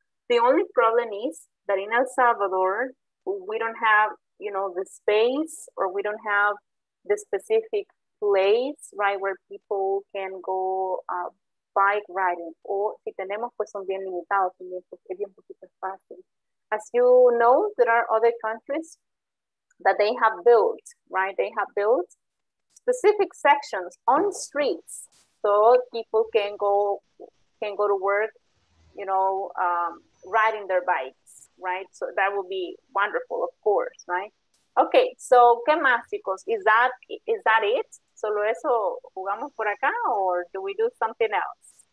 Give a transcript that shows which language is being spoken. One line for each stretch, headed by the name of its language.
English: The only problem is that in El Salvador, we don't have, you know, the space or we don't have the specific place, right, where people can go bike riding.
Spanish: O si tenemos, pues son bien limitados, es bien poquito fácil.
English: As you know, there are other countries that they have built, right? They have built specific sections on streets so people can go to work, you know, riding their bikes, right? So that would be wonderful, of course, right? Okay, so
Spanish: ¿qué más, chicos?
English: Is that it?
Spanish: ¿Solo eso jugamos por acá
English: or do we do something else?